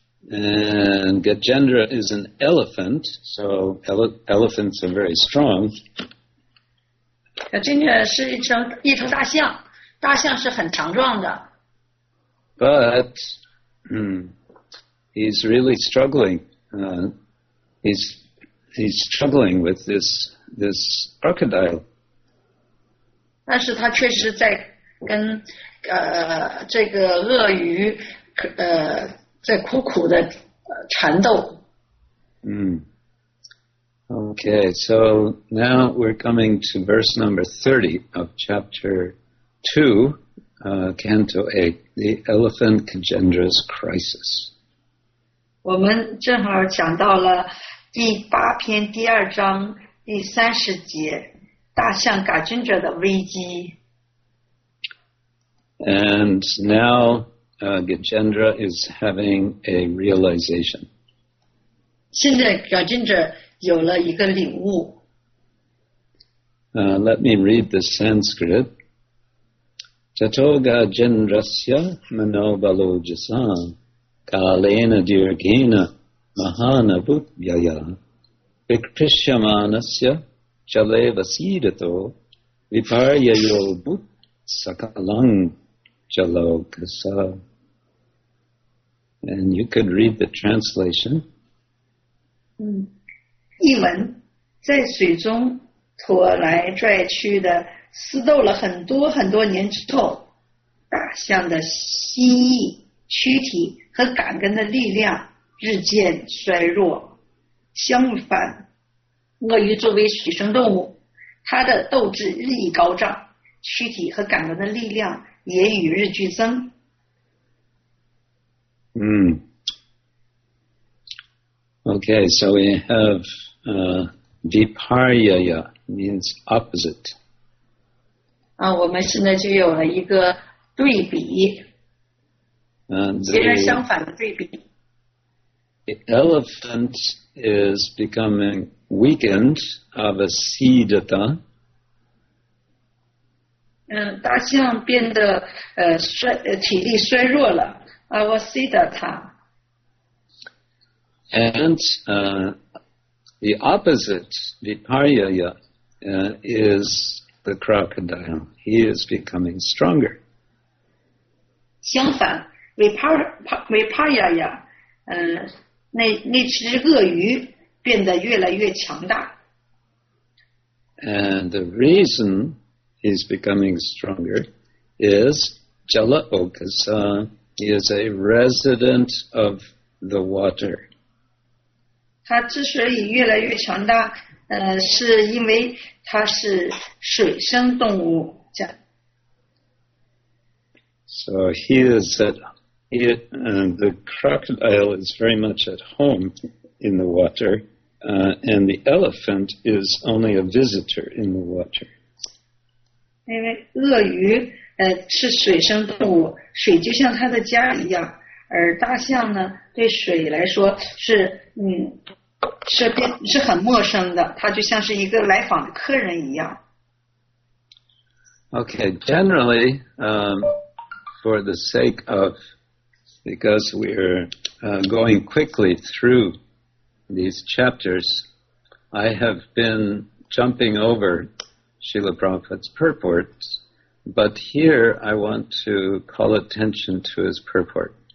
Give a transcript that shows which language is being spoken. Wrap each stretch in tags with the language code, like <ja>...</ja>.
<en>And Gajendra is an elephant, so elephants are very strong.</en> <zh>Gajendra 是一头大象，大象是很强壮的。</zh> <en>But he's really struggling. He's struggling with this crocodile.</en> <zh>但是他确实在跟这个鳄鱼在苦苦的缠斗。</zh> <en>Okay, so now we're coming to verse number 30 of chapter 2, canto 8, the elephant Gajendra's crisis.</en> <zh>我们正好讲到了第八篇第二章第三十节，大象嘎尊者的危机。</zh> <en>And now Gajendra is having a realization.</en> <zh>现在 Gajendra 有了一个领悟。</zh> <en>Let me read the Sanskrit.</en> <sa>Tato Gajendrasya mano balojasa kalena dirgena mahana bhutvyaya vikrishyamanasya chale vasidato viparyayo bhut sakalang. Jalokasa.</sa> <en>And you could read the translation.</en> <zh>译文，在水中拖来拽去的，撕斗了很多很多年之后，大象的心意、躯体和感根的力量日渐衰弱。相反，鳄鱼作为水生动物，它的斗志日益高涨，躯体和感根的力量也与日俱增。</zh> <en>Okay, so we have viparyaya means opposite.</en> <zh>我们现在就有了一个对比，截然相反的对比。</zh> <en>The elephant is becoming weakened of a siddhata.</en> <zh>大象变得体力衰弱了 ，avasiddhata。</zh> <en>And the opposite, Viparyaya, is the crocodile. He is becoming stronger.</en> <zh>相反, Viparyaya, 那只鳄鱼变得越来越强大。</zh> <en>And the reason he's becoming stronger is Jala Okasa is a resident of the water.</en> <zh>他之所以越来越强大, 是因为他是水生动物。</zh> <en>So he is at, the crocodile is very much at home in the water. And the elephant is only a visitor in the water.</en> <zh>因为鳄鱼, 是水生动物, 水就像它的家一样, 而大象呢, 对水来说, 是, 是很陌生的, 它就像是一个来访的客人一样。</zh> <en>Okay, generally, for the sake of, because we're going quickly through these chapters, I have been jumping over Srila Prabhupada's purports, but here I want to call attention to his purport.</en>